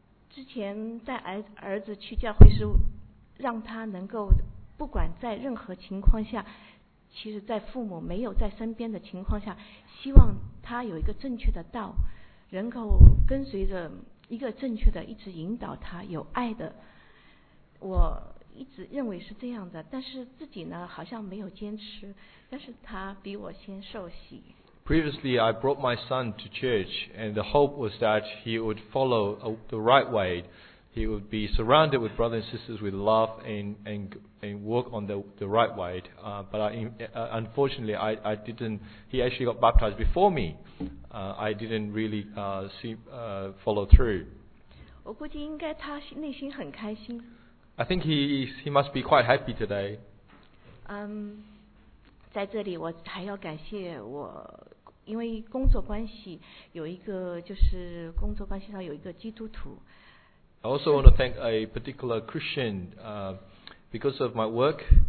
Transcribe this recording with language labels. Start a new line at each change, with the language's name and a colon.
Chinese: 之前带儿子去教会是让他能够不管在任何情况下，其实在父母没有在身边的情况下，希望他有一个正确的道，能够跟随着一个正确的一直引导他，有爱的。我一直认为是这样的，但是自己呢好像没有坚持，但是他比我先受洗。
English: Previously, I brought my son to church, and the hope was that he would follow the right way. He would be surrounded with brothers and sisters with love and walk on the right way. He actually got baptized before me. Follow through.
Chinese: 我估计应该他内心很开心。
English: I think he must be quite happy today.
Chinese: 在这里我还要感谢我。因为工作关系有一个就是工作关系上有一个基督徒。
English: I also want to thank a particular Christian, because of my work.